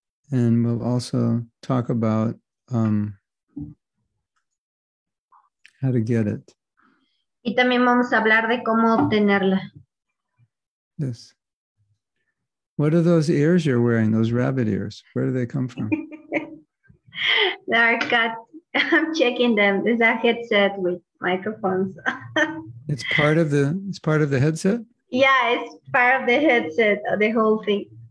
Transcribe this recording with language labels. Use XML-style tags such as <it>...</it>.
<en>And we'll also talk about how to get it.</en> <es>Y también vamos a hablar de cómo obtenerla.</es> <en>Yes. What are those ears you're wearing, those rabbit ears? Where do they come from? I'm checking them. It's a headset with microphones. it's part of the headset? Yeah, it's part of the headset, the whole thing.</en>